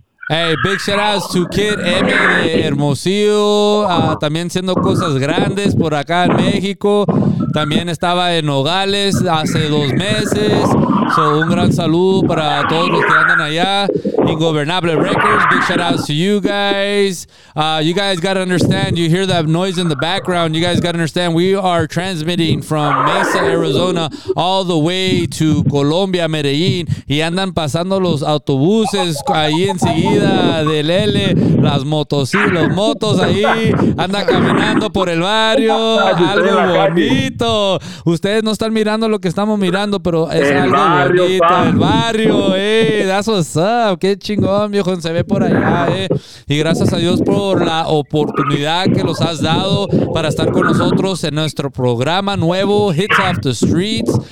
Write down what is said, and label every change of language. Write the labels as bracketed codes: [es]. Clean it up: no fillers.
[en] Hey, big shout out to [es] Kid M de Hermosillo, también siendo cosas grandes por acá en México. También estaba en Nogales hace 2 meses. So, un gran saludo para todos los que andan allá. [en] Ingobernable Records, big shout out to you guys. You guys got to understand, you hear that noise in the background. You guys got to understand, we are transmitting from Mesa, Arizona, all the way to Colombia, Medellín. [es] Y andan pasando los autobuses ahí enseguida del L, las motos, sí, los motos ahí. Anda caminando por el barrio, algo bonito. Ustedes no están mirando lo que estamos mirando, pero es el algo barrio, bonito, pan. El barrio, [en] that's what's up, [es] qué chingón, viejo, se ve por allá, y gracias a Dios por la oportunidad que los has dado para estar con nosotros en nuestro programa nuevo, Hits Off the Streets.